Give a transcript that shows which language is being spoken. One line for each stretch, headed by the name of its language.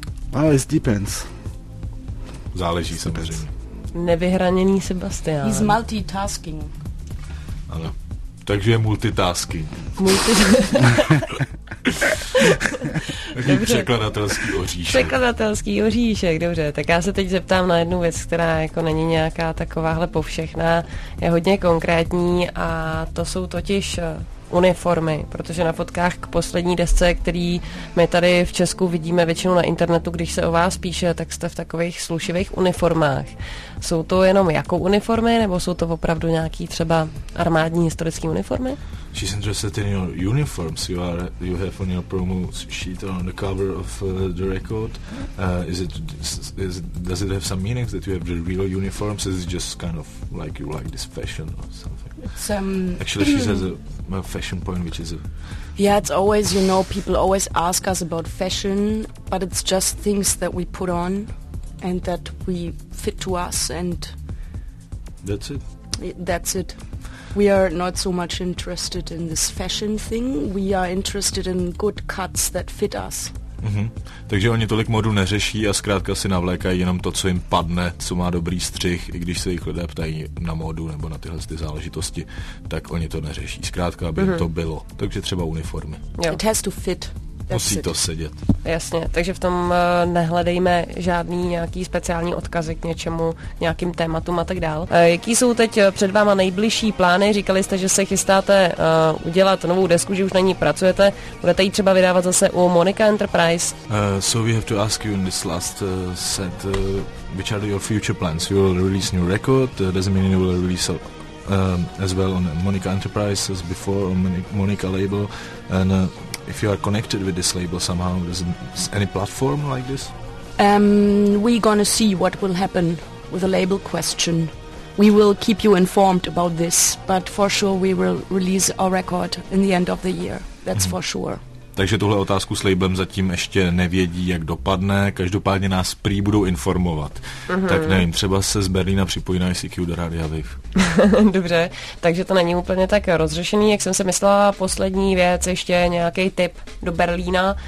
English: Well, it depends.
Czech: Záleží samozřejmě. Nevyhraněný Sebastian.
English: He's multitasking.
Czech: Ano. Takže je multitasking. Multitasking. Takže překladatelský oříšek. Překladatelský oříšek, dobře. Tak já se teď zeptám na jednu věc, která jako není nějaká takováhle povšechná. Je hodně konkrétní a to jsou totiž uniformy, protože na fotkách k poslední desce, který my tady v Česku vidíme většinou na internetu, když se o vás píše, tak jste v takových slušivých uniformách. Jsou to jenom jako uniformy, nebo jsou to opravdu nějaký třeba armádní historický uniformy?
English: She's interested in your uniforms you have on your promo sheet on the cover of the record. Does it have some meaning that you have the real uniforms? Is it just kind of like you like this fashion or something? Actually, she says a fashion point, which is a... Yeah, it's always, you know, people always ask us about fashion, but it's just things that we put on and that we fit to us and... That's it? That's it. We are not so much interested in this fashion thing. We are interested in good cuts that fit us. Mm-hmm.
Czech: Takže oni tolik modu neřeší a zkrátka si navlékají jenom to, co jim padne, co má dobrý střih, i když se jich lidé ptají na modu nebo na tyhle ty záležitosti, tak oni to neřeší. Zkrátka, aby to bylo. Takže třeba uniformy.
English: Yeah. It has to fit.
Czech: Musí to sedět. Jasně, takže v tom nehledejme žádný nějaký speciální odkazy k něčemu, nějakým tématům a tak dál. Jaký jsou teď před váma nejbližší plány? Říkali jste, že se chystáte udělat novou desku, že už na ní pracujete. Budete ji třeba vydávat zase u Monika Enterprise?
English: So we have to ask you in this last set, which are your future plans? You will release new record, doesn't mean you will release as well on Monika Enterprise as before, on Monika label, and... If you are connected with this label somehow, is any platform like this? We're gonna see what will happen with the label question. We will keep you informed about this, but for sure we will release our record in the end of the year. That's for sure.
Czech: Takže tuhle otázku s labelem zatím ještě nevědí, jak dopadne. Každopádně nás prý budou informovat. Mm-hmm. Tak nevím, třeba se z Berlína připojí na ICQ do Radia Wave. Dobře, takže to není úplně tak rozřešený, jak jsem si myslela. Poslední věc, ještě nějaký tip do Berlína.